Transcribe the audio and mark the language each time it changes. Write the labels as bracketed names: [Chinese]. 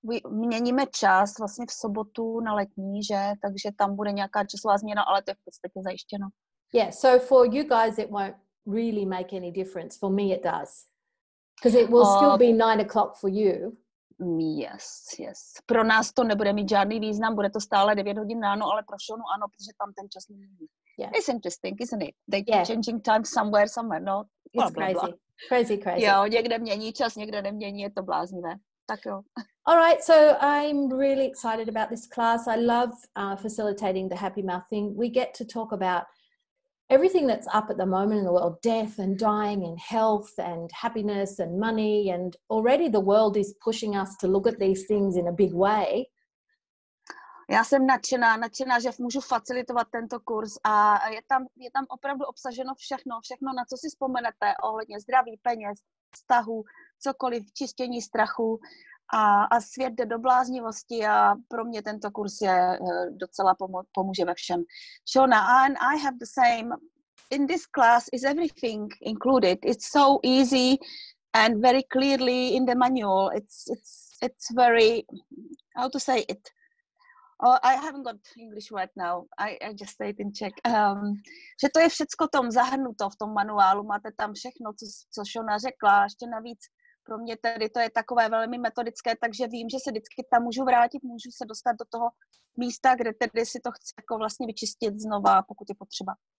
[Czech] Měníme čas vlastně v sobotu na letní, že? Takže tam bude nějaká časová změna, ale to je v podstatě zajištěno. [English] Yeah, so for you guys it won't really make any difference. For me it does. Because it will still be 9 o'clock for you. Yes. [Czech] Pro nás to nebude mít žádný význam, bude to stále 9 hodin ráno, ale pro Šonu ano, protože tam ten čas není. [English] Yeah. It's interesting, isn't it? They keep changing time somewhere, no? It's crazy. [Czech] Jo, někde mění čas, někde nemění, je to bláznivé. Tak jo. [English] All right, so I'm really excited about this class. I love facilitating the Happy Mouth thing. We get to talk about everything that's up at the moment in the world, death and dying and health and happiness and money, and already the world is pushing us to look at these things in a big way. [Czech] Já jsem nadšená, že můžu facilitovat tento kurz a je tam opravdu obsaženo všechno, na co si vzpomenete, ohledně zdraví, peněz, vztahu, cokoliv, čistění strachu a svět jde do bláznivosti a pro mě tento kurz je docela pomůže ve všem. [English] Shona, and I have the same. In this class is everything included. It's so easy and very clearly in the manual. It's very, how to say it? Oh, I haven't got English word now. I just say it in Czech. [Czech] Že to je všecko tom zahrnuto v tom manuálu. Máte tam všechno, co Shona řekla. Ještě navíc pro mě tedy to je takové velmi metodické, takže vím, že se vždycky tam můžu vrátit, můžu se dostat do toho místa, kde tedy si to chci jako vlastně vyčistit znova, pokud je potřeba.